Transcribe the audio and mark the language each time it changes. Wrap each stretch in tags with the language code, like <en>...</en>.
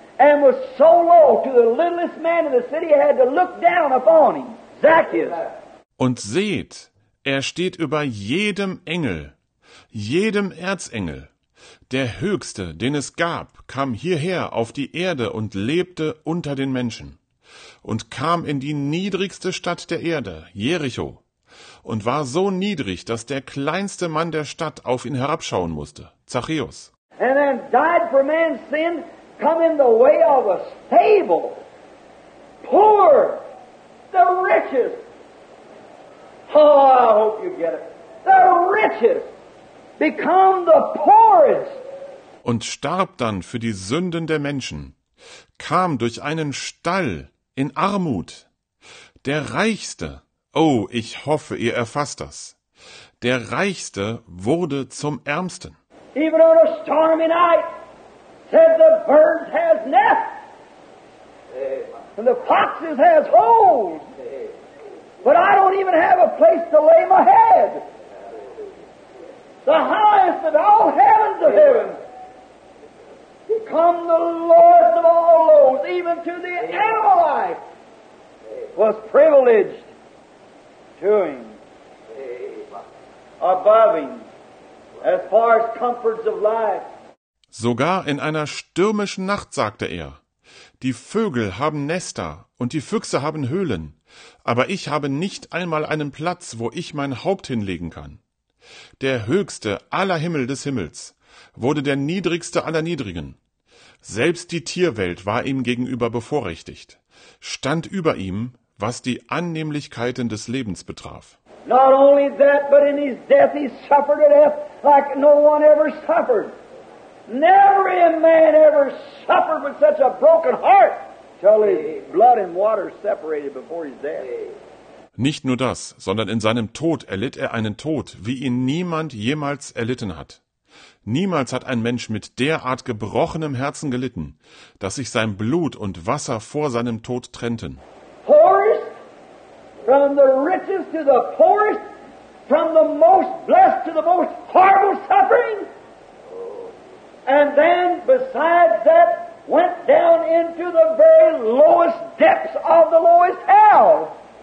<en>And was so low to the littlest man in the city had to look down upon him, Zacchaeus.</en> <de>Und seht, steht über jedem Engel, jedem Erzengel. Der Höchste, den es gab, kam hierher auf die Erde und lebte unter den Menschen. Und kam in die niedrigste Stadt der Erde, Jericho. Und war so niedrig, dass der kleinste Mann der Stadt auf ihn herabschauen musste, Zacchaeus.</de> <en>And then died for man's sin. Come in the way of a stable, poor, the richest. Oh, I hope you get it. The richest become the poorest.</en> <de>Und starb dann für die Sünden der Menschen, kam durch einen Stall in Armut. Der Reichste, oh, ich hoffe, ihr erfasst das. Der Reichste wurde zum Ärmsten.</de> <en>Even on a stormy night. Said the birds has nests, and the foxes has holes, but I don't even have a place to lay my head. The highest of all heavens of heaven, become the Lord of all lords, even to the Amalek, was privileged to him, above him, as far as comforts of life.</en> <de>Sogar in einer stürmischen Nacht, sagte er, die Vögel haben Nester und die Füchse haben Höhlen, aber ich habe nicht einmal einen Platz, wo ich mein Haupt hinlegen kann. Der Höchste aller Himmel des Himmels wurde der Niedrigste aller Niedrigen. Selbst die Tierwelt war ihm gegenüber bevorrechtigt, stand über ihm, was die Annehmlichkeiten des Lebens betraf.</de> <en>Not only that, but in his death he suffered a death like no one ever suffered. Never a man ever suffered with such a broken heart till his blood and water separated before his death.</en> <de>Nicht nur das, sondern in seinem Tod erlitt er einen Tod, wie ihn niemand jemals erlitten hat. Niemals hat ein Mensch mit derart gebrochenem Herzen gelitten, dass sich sein Blut und Wasser vor seinem Tod trennten.</de> <en>Poorest, from the richest to the poorest, from the most blessed to the most horrible suffering, and then besides that went down into the very lowest depths of the lowest hell.</en>